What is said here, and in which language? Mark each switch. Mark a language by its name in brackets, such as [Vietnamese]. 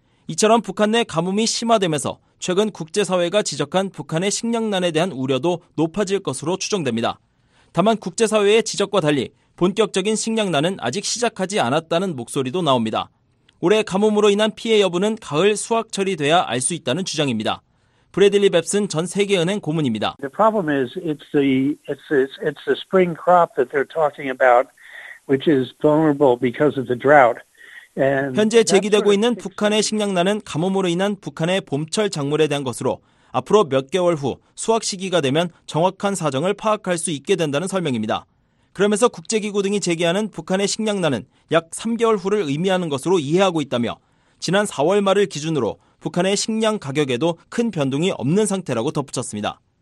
[Korean] 이처럼 북한 내 가뭄이 심화되면서 최근 국제사회가 지적한 북한의 식량난에 대한 우려도 높아질 것으로 추정됩니다. 다만 국제사회의 지적과 달리 본격적인 식량난은 아직 시작하지 않았다는 목소리도 나옵니다. 올해 가뭄으로 인한 피해 여부는 가을 수확 처리돼야 알 수 있다는 주장입니다. 브래들리 뱁슨 전 세계은행 고문입니다. [English] The problem is it's the spring crop that they're talking about, which is vulnerable because of the drought. [Korean] 현재 제기되고 있는 북한의 식량난은 가뭄으로 인한 북한의 봄철 작물에 대한 것으로 앞으로 몇 개월 후 수확 시기가 되면 정확한 사정을 파악할 수 있게 된다는 설명입니다. 그러면서 국제기구 등이 제기하는 북한의 식량난은 약 3개월 후를 의미하는 것으로 이해하고 있다며 지난 4월 말을 기준으로 북한의 식량 가격에도 큰 변동이 없는 상태라고 덧붙였습니다.